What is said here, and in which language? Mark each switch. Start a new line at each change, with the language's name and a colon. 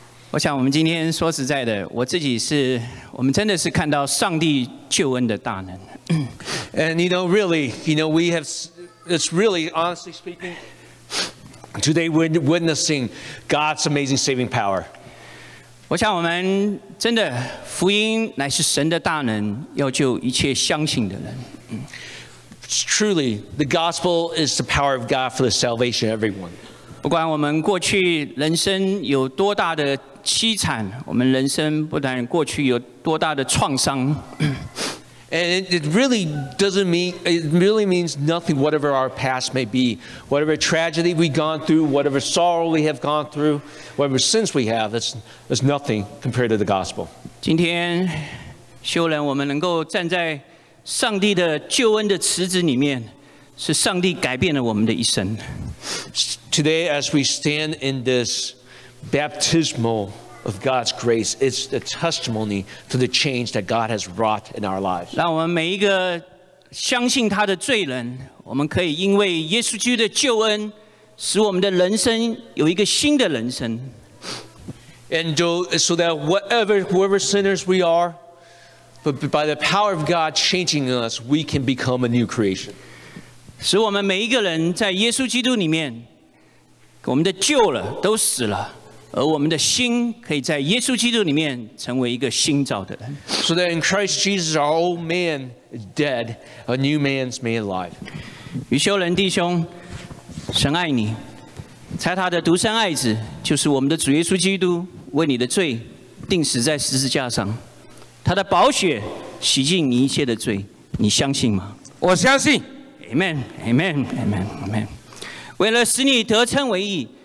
Chinese: 我想我们今天说实在的，我自己是，我们真的是看到上帝救恩的大能。
English: And you know, really, you know, we have. It's really, honestly speaking. Today we're witnessing God's amazing saving power.
Chinese: 我想我们真的福音乃是神的大能，要救一切相信的人。
English: truly, the gospel is the power of God for the salvation of everyone.
Chinese: 不管我们过去人生有多大的凄惨，我们人生不但过去有多大的创伤。
English: And it really doesn't mean, it really means nothing, whatever our past may be, whatever tragedy we've gone through, whatever sorrow we have gone through, whatever sins we have, that's nothing compared to the gospel.
Chinese: 今天，修人，我们能够站在上帝的救恩的池子里面，是上帝改变了我们的一生。
English: Today, as we stand in this baptismal of God's grace, it's a testimony to the change that God has wrought in our lives.
Chinese: 让我们每一个相信他的罪人，我们可以因为耶稣基督的救恩，使我们的人生有一个新的人生。
English: And so that whoever sinners we are, but by the power of God changing us, we can become a new creation.
Chinese: 使我们每一个人在耶稣基督里面，我们的旧了都死了。而我们的心可以在耶稣基督里面成为一个新造的人。
English: So that in Christ Jesus our old man is dead, a new man's made alive.
Chinese: 余修仁弟兄，神爱你，差他的独生爱子，就是我们的主耶稣基督，为你的罪钉死在十字架上，他的宝血洗净你一切的罪，你相信吗？我相信。 Amen, Amen, Amen, Amen. 为了使你得称为义。